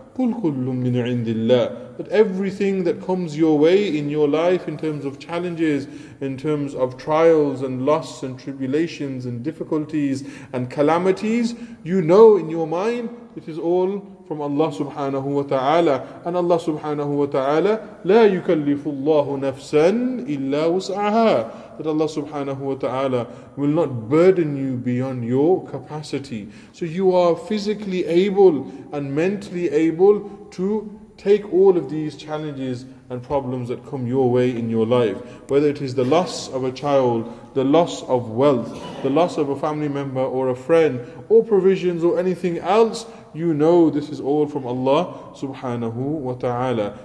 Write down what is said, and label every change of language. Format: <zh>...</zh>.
<ar>قُلْ كُلٌّ مِّنْ عِنْدِ اللَّهِ.</ar> <en>That everything that comes your way in your life, in terms of challenges, in terms of trials and loss and tribulations and difficulties and calamities, you know in your mind, it is all from Allah subhanahu wa ta'ala. And Allah subhanahu wa ta'ala,</en> <ar>لَا يُكَلِّفُ اللَّهُ نَفْسًا إِلَّا وُسْعَهَا.</ar> <en>That Allah subhanahu wa ta'ala will not burden you beyond your capacity. So you are physically able and mentally able to take all of these challenges and problems that come your way in your life. Whether it is the loss of a child, the loss of wealth, the loss of a family member or a friend, or provisions or anything else, you know this is all from Allah subhanahu wa ta'ala.</en>